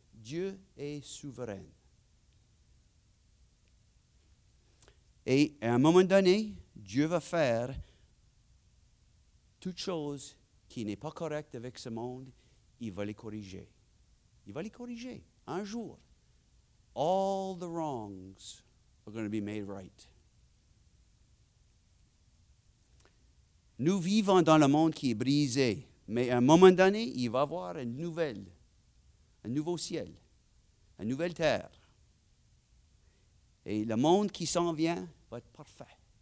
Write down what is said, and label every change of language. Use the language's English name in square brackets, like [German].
[French] Dieu est souverain. Et à un moment donné, Dieu va faire toute chose qui n'est pas correcte avec ce monde, il va les corriger. Il va les corriger un jour. [English] All the wrongs are going to be made right. [French] Nous vivons dans le monde qui est brisé, mais à un moment donné, il va y avoir un nouveau ciel, une nouvelle terre. Et le monde qui s'en vient va être parfait.